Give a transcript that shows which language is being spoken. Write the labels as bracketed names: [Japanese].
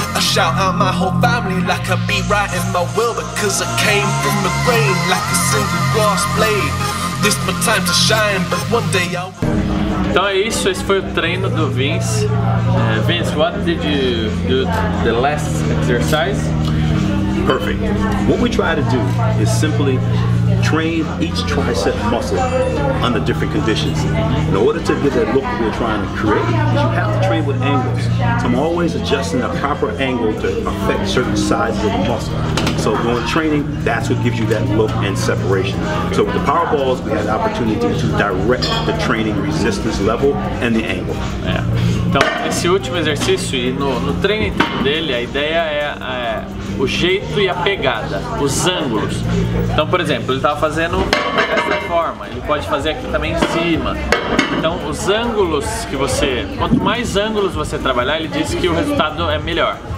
[English] Shout out my whole family like I be writing my will, because I came from the grain like a single grass blade. This my time to shine, but one day I'll... [Portuguese] Então é isso, esse foi o treino do Vince. [English] Vince, what did you do the last exercise? Perfect. What we try to do is simply train each tricep muscle under different conditions. In order to get that look we're trying to create, you have to train with angles. So I'm always adjusting the proper angle to affect certain sizes of the muscle. So during training, that's what gives you that look and separation. So with the power balls, we had the opportunity to direct the training resistance level and the angle. Yeah. [Portuguese] Então, esse último exercício, e no treino inteiro dele, a ideia é o jeito e a pegada, os ângulos. Então, por exemplo, ele estava fazendo dessa forma, ele pode fazer aqui também em cima. Então, os ângulos que você... Quanto mais ângulos você trabalhar, ele diz que o resultado é melhor.